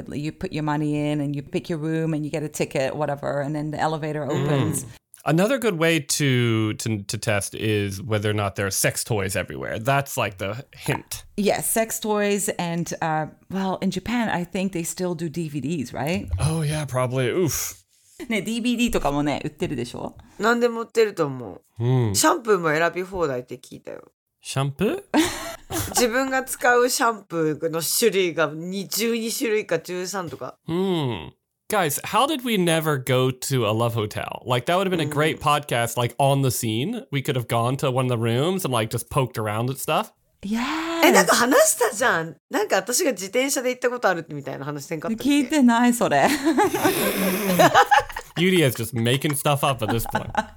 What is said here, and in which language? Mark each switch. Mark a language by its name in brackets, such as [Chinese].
[English] You put your money in and you pick your room and you get a ticket, whatever. And then the elevator opens. Mm. Another good way to test is whether or not there are sex toys everywhere. That's like the hint. Yes, sex toys and, well, in Japan, I think they still do DVDs, right? Oh, yeah, probably. Oof. [Japanese] ね、DVD とかもね、売ってるでしょ？何でも売ってると思う。シャンプーも選び放題って聞いたよ。シャンプー？自分が使うシャンプーの種類が12種類か13とか。 [English] Guys, how did we never go to a love hotel? Like, that would have been a great podcast, like, on the scene. We could have gone to one of the rooms and, like, just poked around at stuff. Yeah. [Japanese] え、なんか話したじゃん。なんか私が自転車で行ったことあるみたいな話してんかったっけ？聞いてない、それ。 [English] Yudi is just making stuff up at this point.